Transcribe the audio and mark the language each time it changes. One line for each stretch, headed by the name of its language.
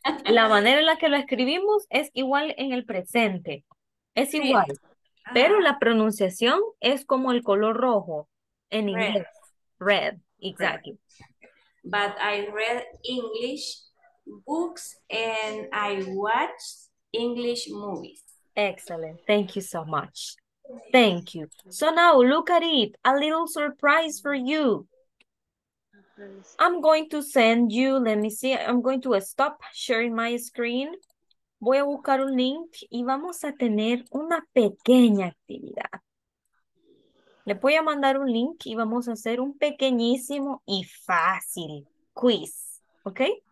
Spanish: La manera en la que lo escribimos es igual en el presente. Es igual. Sí. Pero la pronunciación es como el color rojo en inglés.
English: Red. Red. Exactly. But I read English books and I watched English movies. Excellent. Thank you so much. Thank you. So now look at it. A little surprise for you. I'm going to send you, let me see, I'm going to stop sharing my screen.
Spanish: Voy a buscar un link y vamos a tener una pequeña actividad. Le voy a mandar un link y vamos a hacer un pequeñísimo y fácil quiz, ¿ok?